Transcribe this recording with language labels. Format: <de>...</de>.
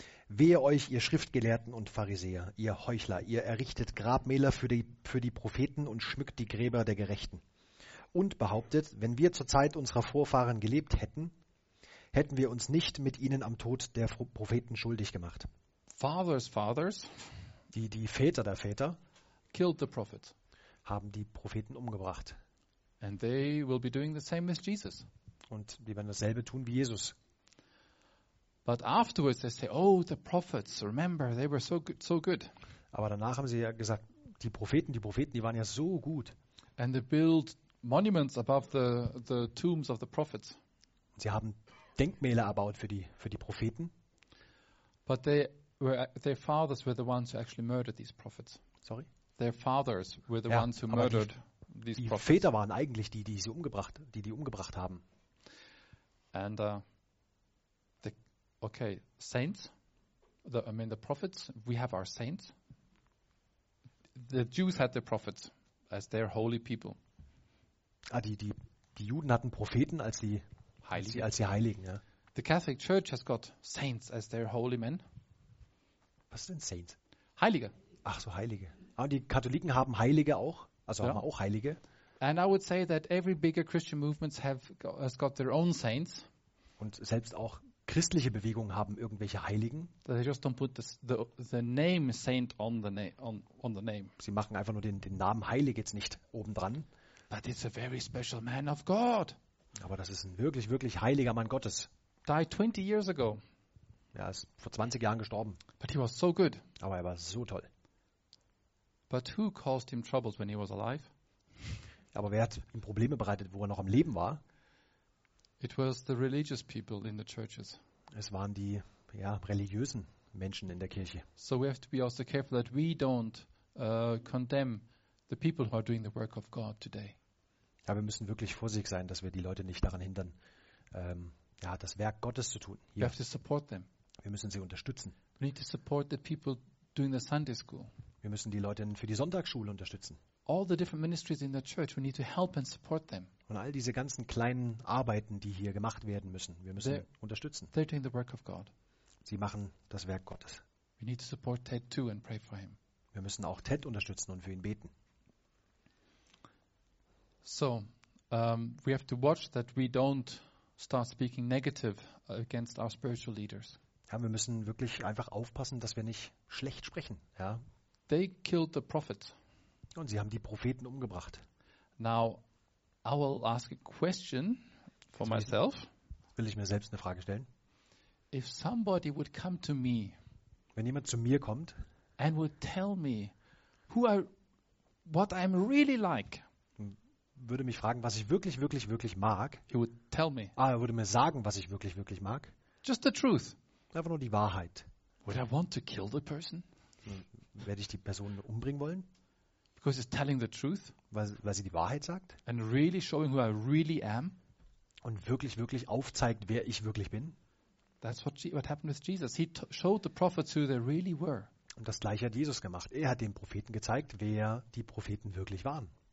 <de>Wehe euch, ihr Schriftgelehrten und Pharisäer, ihr Heuchler, ihr errichtet Grabmäler für die Propheten und schmückt die Gräber der Gerechten. Und behauptet, wenn wir zur Zeit unserer Vorfahren gelebt hätten, hätten wir uns nicht mit ihnen am Tod der Propheten schuldig gemacht.</de> <en>Fathers,</en> <de>die Väter der Väter,</de> <en>killed the prophets,</en> <de>haben die Propheten umgebracht.</de> <en>And they will be doing the same with Jesus.</en> <de>Und die werden dasselbe tun wie Jesus.</de> <en>But afterwards they say, oh, the prophets, remember, they were so good.</en> <de>Aber danach haben sie ja gesagt, die Propheten, die waren ja so gut.</de> <en>And they build monuments above the tombs of the prophets.</en> <de>Sie haben Denkmäler erbaut für die Propheten.</de> <en>But their fathers were the ones who actually murdered these prophets. Sorry? Their fathers were the ones who murdered these prophets.</en> <de>Die Väter waren eigentlich die umgebracht haben.</de> <en>And saints. The prophets. We have our saints. The Jews had their prophets as their holy people.</en> <de>Ah, die Juden hatten Propheten als die Heiligen. Als die Heiligen, ja.</de> <en>The Catholic Church has got saints as their holy men.</en> <de>Was sind Saints? Heilige. Ach so, Heilige. Ah, und die Katholiken haben Heilige auch, also ja. Haben auch Heilige.</de> <en>And I would say that every bigger Christian movements has got their own saints.</en> <de>Und selbst auch christliche Bewegungen haben irgendwelche Heiligen.</de> <en>They just don't put the name saint on the name.</en> <de>Sie machen einfach nur den Namen Heilig jetzt nicht obendran.</de> <en>But it's a very special man of God.</en> <de>Aber das ist ein wirklich, wirklich heiliger Mann Gottes.</de> <en>Died 20 years ago.</en> <de>Ja, ist vor 20 Jahren gestorben.</de> <en>But he was so good.</en> <de>Aber er war so toll.</de> <en>But who caused him troubles when he was alive?</en> <de>Aber wer hat ihm Probleme bereitet, wo er noch am Leben war?</de> <en>It was the religious people in the churches.</en> <de>Es waren die religiösen Menschen in der Kirche.</de> <en>So we have to be also careful that we don't condemn the people who are doing the work of God today.</en> <de>Ja, wir müssen wirklich vorsichtig sein, dass wir die Leute nicht daran hindern, das Werk Gottes zu tun. Hier.</de> <en>We have to support them.</en> <de>Wir müssen sie unterstützen.</de> <en>We need to support the people doing the Sunday school.</en> <de>Wir müssen die Leute für die Sonntagsschule unterstützen.</de> <en>All the different ministries in the church, we need to help and support them.</en> <de>Und all diese ganzen kleinen Arbeiten, die hier gemacht werden müssen, wir müssen unterstützen.</de> <en>They're doing the work of God.</en> <de>Sie machen das Werk Gottes.</de> <en>We need to support Ted too and pray for him.</en> <de>Wir müssen auch Ted unterstützen und für ihn beten.</de> <en>So, we have to watch that we don't start speaking negative against our spiritual leaders.</en> <de>Ja, wir müssen wirklich einfach aufpassen, dass wir nicht schlecht sprechen. Ja.</de> <en>They killed the prophets.</en> <de>Und sie haben die Propheten umgebracht.</de> <en>Now, I will ask a question for myself.</en> <de>Will ich mir selbst eine Frage stellen?</de> <en>If somebody would come to me,</en> <de>wenn jemand zu mir kommt,</de> <en>and would tell me who I, what I'm really like.</en> <de>Würde mich fragen, was ich wirklich, wirklich, wirklich mag.</de> <en>He would tell me.</en> <de>Ah, er würde mir sagen, was ich wirklich, wirklich mag.</de> <en>Just the truth.</en> <de>Einfach nur die Wahrheit.</de> <en>Would I want to kill the person?</en> <de>Werde ich die Person umbringen wollen?</de> <en>Because it's telling the truth.</en> <de>Weil sie die Wahrheit sagt.</de> <en>And really showing who I really am.</en> <de>Und wirklich, wirklich aufzeigt, wer ich wirklich bin.</de> <en>That's what happened with Jesus. He showed the prophets who they really were.</en> <de>Und das Gleiche hat Jesus gemacht. Er hat den Propheten gezeigt, wer die Propheten wirklich waren.</de>